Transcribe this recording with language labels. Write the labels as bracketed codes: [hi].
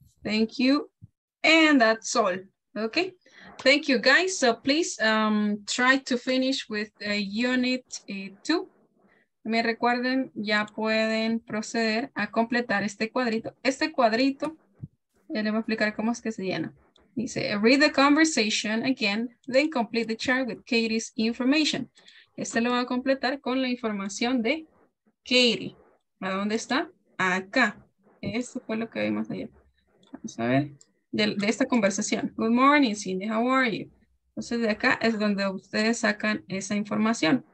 [en] Thank you. And that's all. Okay. Thank you, guys. So please try to finish with unit 2. [es] Me recuerden, ya pueden proceder a completar este cuadrito. Este cuadrito, ya les voy a explicar cómo es que se llena. [en] Dice, read the conversation again, then complete the chart with Katie's information. [es] Este lo va a completar con la información de Katie. ¿A dónde está? acá. Eso fue lo que vimos ayer. Vamos a ver. De esta conversación. [en] Good morning, Cindy. How are you? [es] Entonces, de acá es donde ustedes sacan esa información.